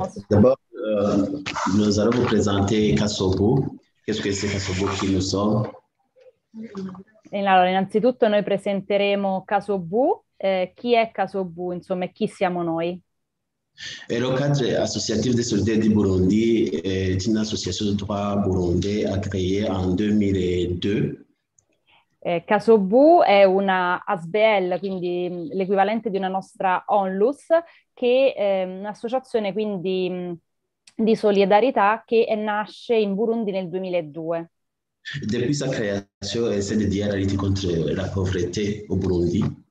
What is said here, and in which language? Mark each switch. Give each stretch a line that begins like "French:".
French: D'abord, nous allons vous présenter Kasubu. Qu'est-ce que c'est Kasubu, qui nous sommes?
Italian: Allora, innanzitutto noi presenteremo Kasubu. Chi è Kasubu, insomma, chi siamo noi?
French: Et le cadre associatif des solidaires du Burundi est une association de droit burundais a créé en 2002.
Italian: Kasubu è una ASBL, quindi l'equivalente di una nostra ONLUS, che è un'associazione quindi di solidarietà che nasce in Burundi nel 2002.
French: Depuis sa création, elle s'est dédiée à la lutte contre la pauvreté au Burundi.